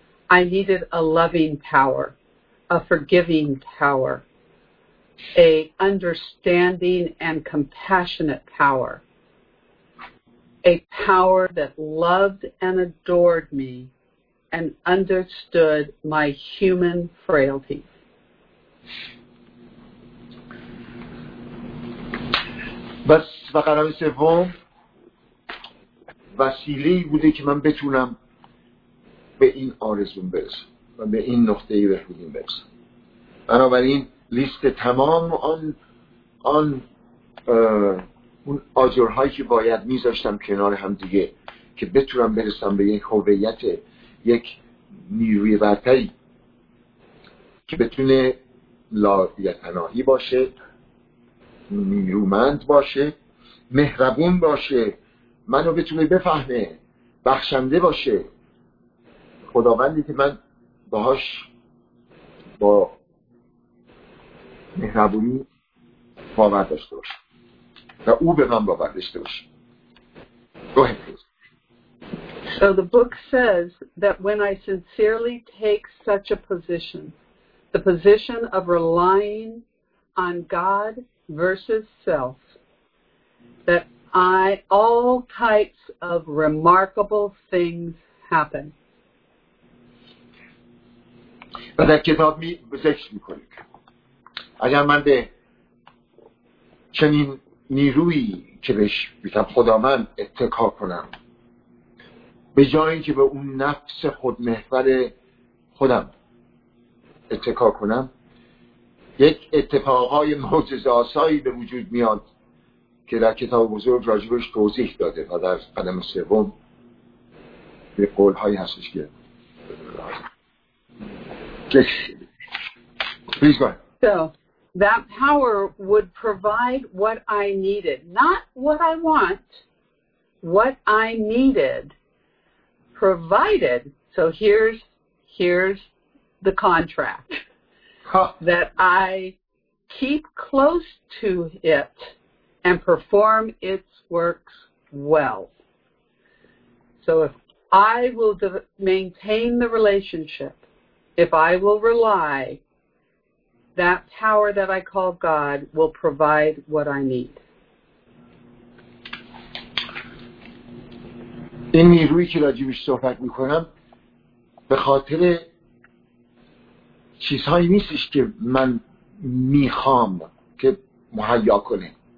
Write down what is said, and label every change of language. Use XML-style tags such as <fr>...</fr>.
<en>I needed a loving power, a forgiving power, a understanding and compassionate power, a power that loved and adored me and understood my human frailty.</en> <fa>بس و قدم سوم وسیله‌ای بوده که من بتونم به این آرزوم برسم و به این نقطه بهبودی برسم. بنابراین لیست تمام اون آجرهایی که باید میذاشتم کنار هم دیگه که بتونم برسم به یک هویت، یک نیروی برتری که بتونه لایتناهی باشه، نیرومند باشه، مهربون باشه، منو بتونه بفهمه، بخشنده باشه، خداوندی که من باهاش با مهربونی باور داشته باشم و او به من باور داشته باشه.</fa> <en>Go ahead, please. So the book says that when I sincerely take such a position, the position of relying on God versus self, that I all types of remarkable things happen.</en> <fa>و در کتاب می ذکر می کنید اگر من به چنین نیرویی که بهش بیتم خدا من اتکا کنم، به جایی که به اون نفس خودمحور خودم اتکا کنم، یک اتفاقهای معجزه‌آسایی به وجود میاد که در کتاب بزرگ راجبش توضیح داده و در قدم سوم به قولهایی هستش که</fa> <en>please go ahead. So that power would provide what I needed, not what I want, what I needed provided. So here's the contract. That I keep close to it and perform its works well. So if I will maintain the relationship, if I will rely, that power that I call God will provide what I need.</en> <fa>این نیرویی که راجبش صحبت میکنم به خاطر چیزهایی نیستش که من میخوام که مهیا کنه.</fa>